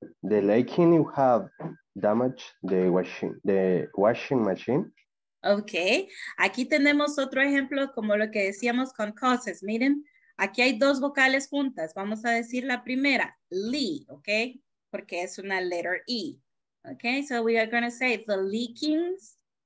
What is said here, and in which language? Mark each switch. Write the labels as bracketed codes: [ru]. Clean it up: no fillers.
[en] The leaking you have damaged the washing machine. [es] Okay, aquí tenemos otro ejemplo como lo que decíamos con causes. Miren, aquí hay dos vocales juntas. Vamos a decir la primera, li, okay, porque es una letter e. [en] Okay, so we are going to say the leakings.